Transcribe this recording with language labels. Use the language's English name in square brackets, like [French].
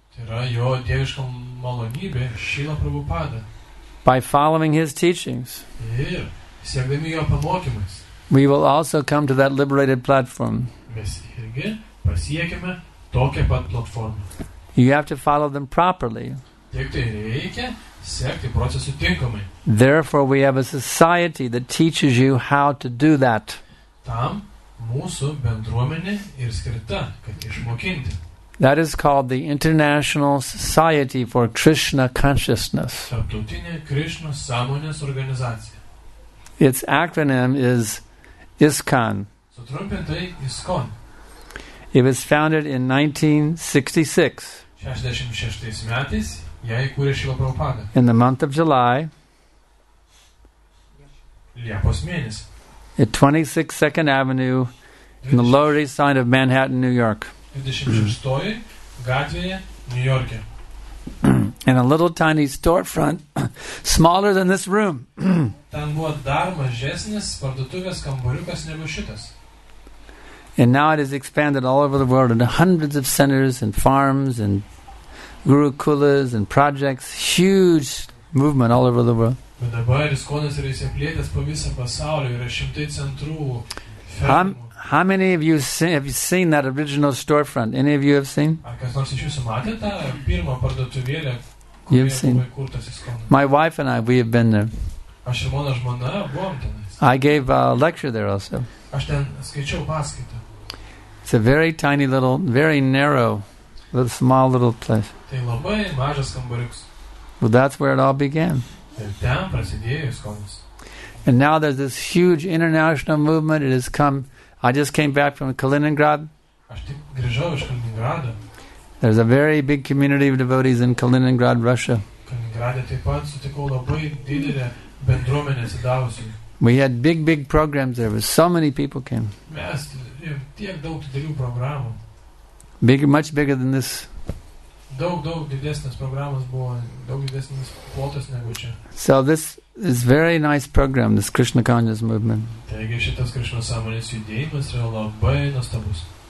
[Lithuanian] Tai yra jo dieviška malonybė, Šila Prabhupada. [English] By following his teachings, [Lithuanian] ir sekdami jo pamokymais, [English] we will also come to that liberated platform. [Lithuanian] Mes irgi pasiekime tokią pat platformą. [English] You have to follow them properly. [Lithuanian] Tik tai reikia sekti procesu tinkamai. [English] Therefore, we have a society that teaches you how to do that. [Lithuanian] Tam mūsų bendruomenė ir skirta, kad išmokinti. [English] That is called the International Society for Krishna Consciousness. [Lithuanian] Tarptautinė Krishna sąmonės organizacija. [English] Its acronym is ISKCON. [Lithuanian] Sutrumpintai ISKCON. [English] It was founded in 1966. [Lithuanian] 66 metais ją įkūrė Šila Prabhupada. [English] In the month of July. [Lithuanian] Liepos mėnesį. [English] At 26 Second Avenue in the Lower East Side of Manhattan, New York. [Lithuanian] 26 gatvėje, New York'e. [English] In a little tiny storefront, smaller than this room. [Lithuanian] Ten buvo dar mažesnis parduotuvės kambariukas negu šitas. [English] And now it has expanded all over the world into hundreds of centers and farms and gurukulas and projects. Huge movement all over the world. [Lithuanian] But dabar ISKCON'as yra įsiplėtęs po visą pasaulį. Yra šimtai centrų. [English] How many of you have you seen that original storefront? Any of you have seen? [Lithuanian] Ar kas nors iš jūsų matė tą pirmą parduotuvėlę, kurioje buvo įkurtas ISKCON'as? [English] My wife and I, we have been there. [Lithuanian] Aš ir mano žmona buvom ten. [English] I gave a lecture there also. [Lithuanian] Aš ten skaičiau paskaitą. [English] It's a very tiny little, very narrow, little small little place. [Lithuanian] Tai labai mažas kambariukas. [English] Well, that's where it all began. [Lithuanian] Ir ten prasidėjo ISKCON'as. [English] And now there's this huge international movement. It has come. I just came back from Kaliningrad. [Lithuanian] Aš tik grįžau iš Kaliningrado. [English] There's a very big community of devotees in Kaliningrad, Russia. [Lithuanian] Kaliningrade taip pat sutikau labai didelę bendruomenę sudavusių. [English] We had big, big programs there. So many people came. [Lithuanian] Mes tiek daug didelių programų. [English] Bigger, much bigger than this. [Lithuanian] Daug, daug didesnės programas buvo, daug didesnės plotas negu čia. [English] So this is very nice program, this Krishna Consciousness Movement. [Lithuanian] Taigi šitas Krishna sąmonės judėjimas yra labai nuostabus.